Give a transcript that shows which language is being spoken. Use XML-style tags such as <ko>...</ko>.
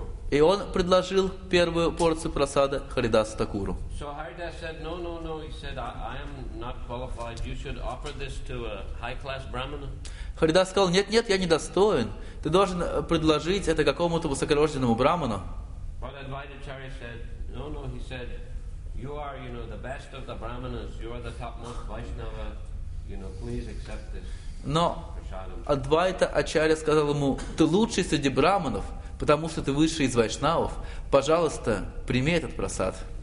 <ru>и он предложил первую порцию просада Харидасу Такуру.</ru> <en>So Haridas said, no, no, no. He said, I am not qualified. You should offer this to a high-class Brahmin.</en> <ru>Харидас сказал, нет, нет, я недостоин. Ты должен предложить это какому-то высокорожденному браману.</ru> <en>But Advaitacharya said, no, no. He said, you are, you know, the best of the brahmanas. You are the topmost Vaishnava. You know, please accept this.</en> <ru>Но Адвайта Ачарья сказал ему, ты лучший среди браманов, потому что ты высший из вайшнавов. Пожалуйста, прими этот просад.</ru>